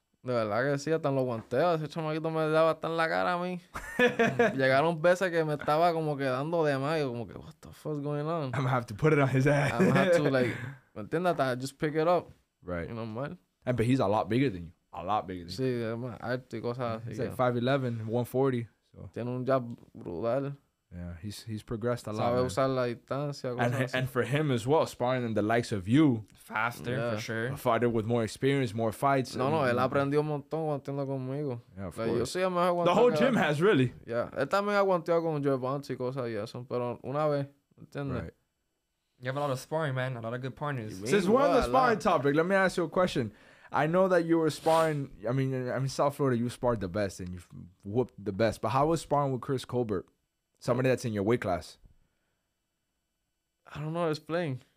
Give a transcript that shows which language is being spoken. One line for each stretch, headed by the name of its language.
Spanish: De verdad que sí, hasta en los guanteos. Ese chamaquito me daba hasta en la cara a mí. Llegaron veces que me estaba como quedando de más. Yo como que,
English: what the fuck's going on? I'm going to have to put it on his ass. I'm going to have to,
Spanish: ¿me entiendes? Hasta
English: just pick it up. Right. You know, man. And, but he's a lot bigger than you. A lot bigger than you.
Spanish: Sí, es más alto y cosas así.
English: He's 5'11", 140. So.
Spanish: Tiene un jab brutal.
English: Yeah, he's progressed a lot.
Spanish: Sabe usar la distancia, cosas
English: and for him as well, sparring in the likes of you. Faster, yeah. For sure. A fighter with more experience, more fights.
Spanish: No, él aprendió un montón aguantando conmigo.
English: Yeah, of course.
Spanish: Yo soy el mejor aguantando.
English: The whole gym has, really.
Spanish: Yeah, él también aguantó con Gervonta y cosas y eso, pero una vez, ¿entiendes?
English: Right. You have a lot of sparring, man. A lot of good partners. Since we're on the sparring topic, let me ask you a question. I know that you were sparring, I mean, South Florida, you sparred the best and you whooped the best. But how was sparring with Chris Colbert? Somebody that's in your weight class. I don't know how to explain.